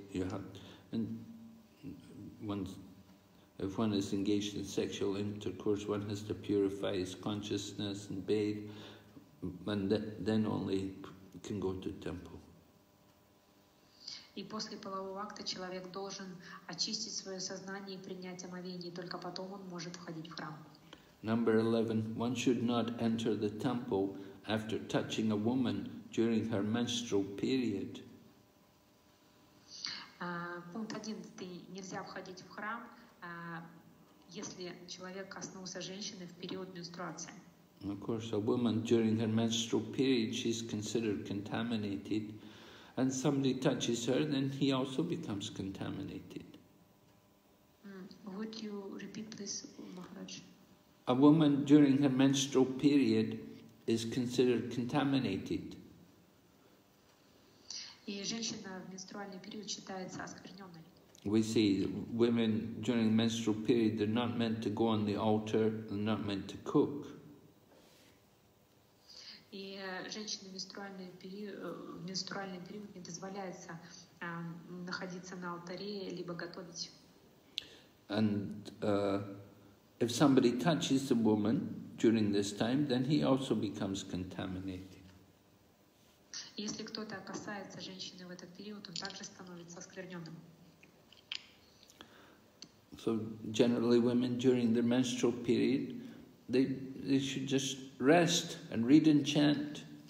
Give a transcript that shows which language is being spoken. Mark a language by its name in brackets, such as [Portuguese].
[English] If one is engaged in sexual intercourse, one has to purify his consciousness and bathe, and then only can go to temple. [Russian] И после полового акта человек должен очистить свое сознание и принять омовение, только потом он может входить в храм. [English] Number 11. One should not enter the temple after touching a woman during her menstrual period. [Russian] Пункт 11. Нельзя входить в храм, если человек коснулся женщины в период менструации. [English] Of course, a woman during her menstrual period, she's considered contaminated. And somebody touches her, then he also becomes contaminated. Would you repeat this, Maharaj? A woman during her menstrual period is considered contaminated. [Russian] И женщина в менструальный период считается оскверненной. [English] We see women during menstrual period, they're not meant to go on the altar, they're not meant to cook. [Russian] И женщине в менструальный период не дозволяется находиться на алтаре, либо готовить. [English] And if somebody touches a woman during this time, then he also becomes contaminated. [Russian] Если кто-то касается женщины в этот период, он также становится оскверненным. [English] So generally women during their menstrual period, they should just rest and read and chant.